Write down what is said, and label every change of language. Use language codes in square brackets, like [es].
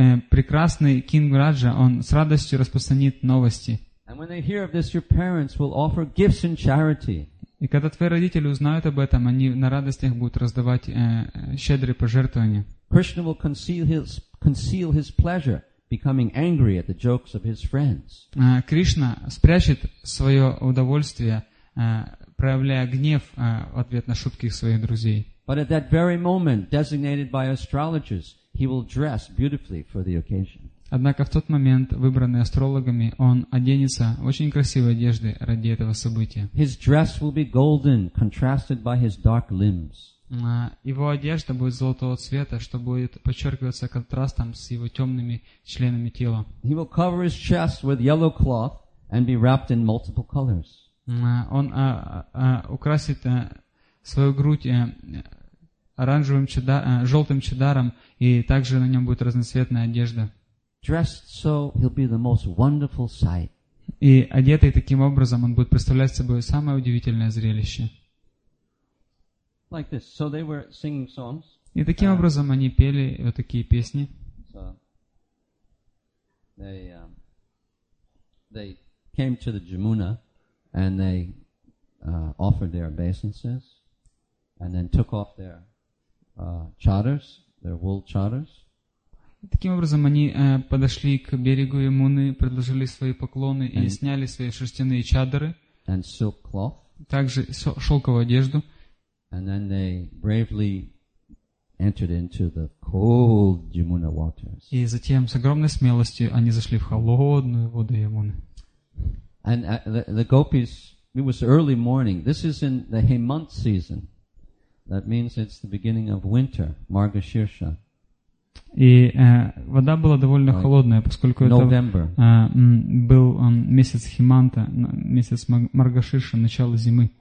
[ru] Прекрасный Кинг Раджа, он с радостью распространит новости. [en] This, [ru] и когда твои родители узнают об этом, они на радостях будут раздавать щедрые пожертвования. [en] Krishna will conceal his pleasure, becoming angry at the jokes of his friends. [ru] Кришна спрячет свое удовольствие, проявляя гнев в ответ на шутки своих друзей. [en] But at that very moment, designated by astrologers, he will dress beautifully for the occasion. [ru] Однако в тот момент, выбранный астрологами, он оденется в очень красивой одежде ради этого события. [en] His dress will be golden, contrasted by his dark limbs. [ru] Его одежда будет золотого цвета, что будет подчеркиваться контрастом с его темными членами тела. [en] He will cover his chest with yellow cloth and be wrapped in multiple colors. [ru] Он украсит свою грудь оранжевым желтым чадаром, и также на нем будет разноцветная одежда. [en] Dressed so, he'll be the most wonderful sight. [ru] И одетый таким образом, он будет представлять собой самое удивительное зрелище. [en] Like this. So they were singing songs. [ru] И таким образом они пели вот такие песни. [en] So they came to the Jamuna and they offered their obeisances and then took off their charters, their wool charters. [ru] Таким образом, они подошли к берегу Ямуны, предложили свои поклоны и сняли свои шерстяные чадры. [en] And silk cloth. [ru] Также шелковую одежду. [en] And then they bravely entered into the cold Jamuna waters. [ru] И затем с огромной смелостью они зашли в холодную воду Ямуны. [en] And the gopis, it was early morning. This is in the Hemant season. That means it's the beginning of winter, Marga-Shirsha. [ru] И вода была довольно холодная, поскольку [en] November. [ru] Это был месяц Химанта, месяц Марга-Ширша, начало зимы.